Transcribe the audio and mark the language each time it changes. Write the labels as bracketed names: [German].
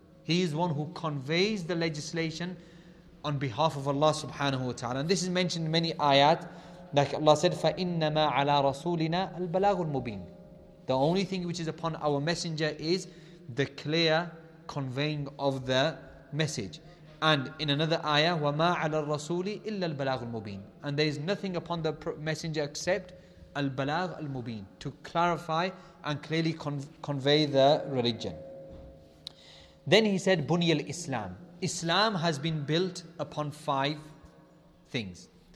[English] He is one who conveys the legislation on behalf of Allah subhanahu wa ta'ala. And this is mentioned in many ayat. Like Allah said, [Arabic] فَإِنَّمَا عَلَىٰ رَسُولِنَا الْبَلَاغُ الْمُبِينَ. [English] The only thing which is upon our messenger is the clear conveying of the message. And in another ayah, [Arabic] وَمَا عَلَىٰ الرَّسُولِ إِلَّا الْبَلَاغُ الْمُبِينَ. [English] And there is nothing upon the messenger except [Arabic] الْبَلَاغُ الْمُبِينَ, [English] to clarify and clearly convey the religion. Then he said, Buni al-Islam. Islam has been built upon five things.